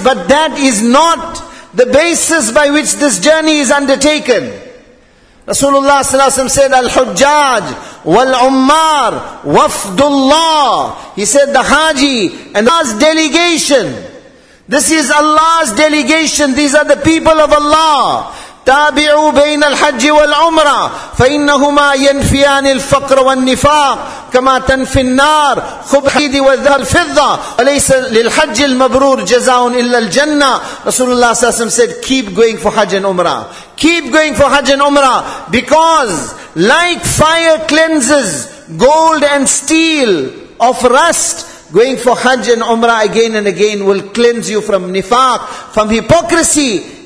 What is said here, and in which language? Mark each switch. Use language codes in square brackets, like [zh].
[en] But that is not the basis by which this journey is undertaken. Rasulullah sallallahu alaihi wasallam said, [ar] Al-Hujjaj wal-Ummar wafdullah. [en] He said, the Haji and Allah's delegation. This is Allah's delegation. These are the people of Allah. [ar] تابعوا بين الحج والعمرة فإنهما ينفيان الفقر والنفاق كما تنفي النار خبز الحديد والذهب والفضة وليس للحج المبرور جزاء إلا الجنة. [en] رسول الله صلى الله عليه وسلم said, keep going for Hajj and Umrah. Keep going for Hajj and Umrah, because like fire cleanses gold and steel of rust, going for Hajj and Umrah again and again will cleanse you from nifaq, from hypocrisy.